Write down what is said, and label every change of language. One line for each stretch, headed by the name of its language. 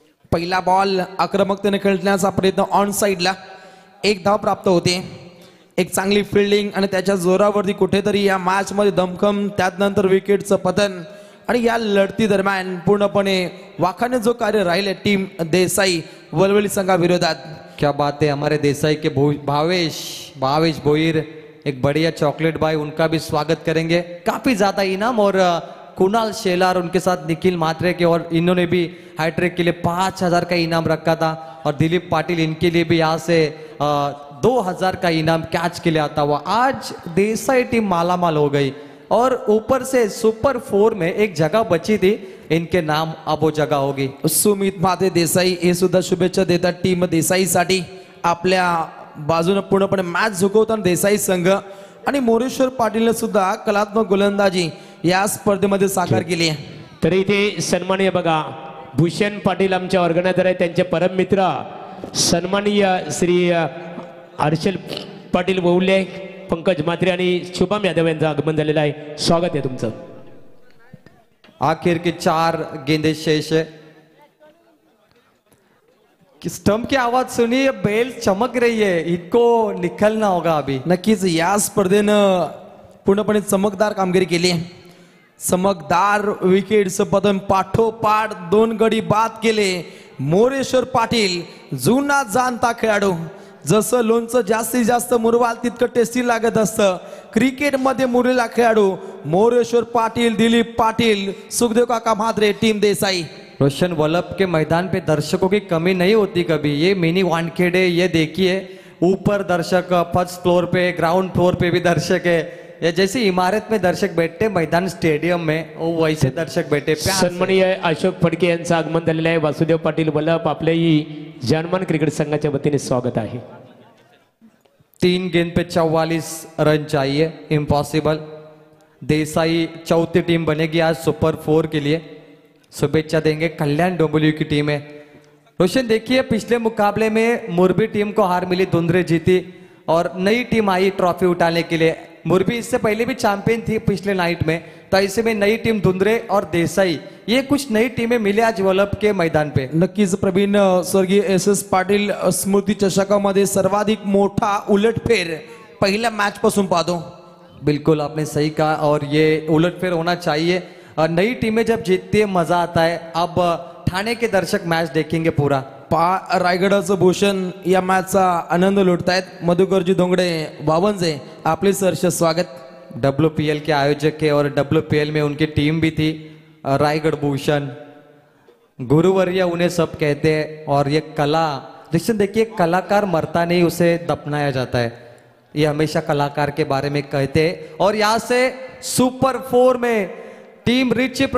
Marathi: पहिला बॉल आक्रमकतेने खेळण्याचा प्रयत्न ऑन साइडला, एक धाव प्राप्त होते, एक चांगली फिल्डिंग आणि त्याच्या जोरावरती कुठेतरी या मॅच मध्ये दमखम, त्यानंतर विकेटचं पतन आणि या लढती दरम्यान पूर्णपणे वाखाने जो कार्य राहिले टीम देसाई वलवली संघाविरोधात.
Hindi: क्या बात है हमारे देसाई के भावेश भावेश भोईर, एक बढ़िया चॉकलेट भाई, उनका भी स्वागत करेंगे. काफी ज्यादा इनाम और कुणाल शेलार उनके साथ निखिल मात्रे के, और इन्होंने भी हैट्रिक के लिए 5000 का इनाम रखा था. और दिलीप पाटिल इनके लिए भी यहाँ से 2000 का इनाम कैच के लिए आता हुआ. आज देसाई टीम मालामाल हो गई और ऊपर से सुपर फोर में एक जगह बची थी, इनके नाम अब वो जगह होगी.
Marathi: सुमित माते देसाई ये सुद्धा शुभेच्छा देता टीम देसाई साठी. आपल्या बाजूने पूर्णपणे मॅच झुकवताना देसाई संघ आणि मोरेश्वर पाटील सुद्धा कलात्मक गोलंदाजी या स्पर्धेमध्ये साकार केली आहे. तरी इथे सन्माननीय बघा भूषण पाटील आमच्या ऑर्गनायझर आहे, त्यांचे परम मित्र सन्माननीय श्री हर्षल पाटील बोलले, पंकज म्हात्रे आणि शुभम यादव यांचं आगमन झालेलं आहे, स्वागत आहे तुमचं.
Hindi: आखिर के चार गेंदे शेष है, स्टंप की आवाज सुनी, ये बेल चमक रही है, इनको निकलना होगा अभी.
Marathi: नक्कीच या स्पर्धेनं पूर्णपणे चमकदार कामगिरी केली आहे, चमकदार विकेट्स पतन पाठोपाठ दोन गडी बाद केले मोरेश्वर पाटील, जुना जाणता खेळाडू. जसं लोणचं जास्तीत जास्त मुरवाल तितकं टेस्टी लागत असतं, क्रिकेट मध्ये मुरलेला खेळाडू मोरेश्वर पाटील, दिलीप पाटील, सुखदेव काका म्हात्रे, टीम देसाई.
Hindi: रोशन वल्लभ के मैदान पे दर्शकों की कमी नहीं होती कभी, ये मिनी वानखेड़े ये देखिए, ऊपर दर्शक, फर्स्ट फ्लोर पे, ग्राउंड फ्लोर पे भी दर्शक है, ये जैसे इमारत में दर्शक बैठते मैदान स्टेडियम में वो वैसे दर्शक बैठे.
Marathi: सन्माननीय अशोक फडके यांचं आगमन झालेलं आहे, वासुदेव पाटील वल्लभ आपले ही जनमन क्रिकेट संघाच्या वतीने स्वागत आहे.
Hindi: तीन गेंद पे 44 रन चाहिए, इम्पॉसिबल. देसाई चौथी टीम बनेगी आज सुपर फोर के लिए, शुभेच्छा देंगे, कल्याण डोंबिवली की टीम है. रोशन देखिए पिछले मुकाबले में मुरबी टीम को हार मिली, धुंधरे जीती और नई टीम आई ट्रॉफी उठाने के लिए. मुरबी इससे पहले भी चैंपियन थी पिछले नाइट में, तो ऐसे में नई टीम धुंधरे और देसाई, ये कुछ नई टीमें मिले आज वल्लभ के मैदान पे.
Marathi: नक्कीच प्रवीण, स्वर्गीय एस एस पाटील स्मृति चषका मध्ये सर्वाधिक मोठा उलटफेर पहिल्या मॅच पासून पाहतो.
Hindi: बिल्कुल आपने सही कहा, और ये उलटफेर होना चाहिए, नई टीमें जब जीतती है मजा आता है. अब ठाणे के दर्शक मॅच देखेंगे पूरा.
Marathi: रायगडाचं भूषण या मॅचचा आनंद लुटतायत मधुकरजी धोंगडे बावनजे, आपले सर्ष स्वागत.
Hindi: डब्ल्यू पी एल के आयोजक है और डब्ल्यू पी एल में उनकी टीम भी थी रायगढ़ भूषण, गुरुवरिया उन्हें सब कहते हैं. और ये कला रिश्न देखिए, कलाकार मरता नहीं, उसे दफनाया जाता है, ये हमेशा कलाकार के बारे में कहते हैं. और यहां से सुपर फोर में टीम रिच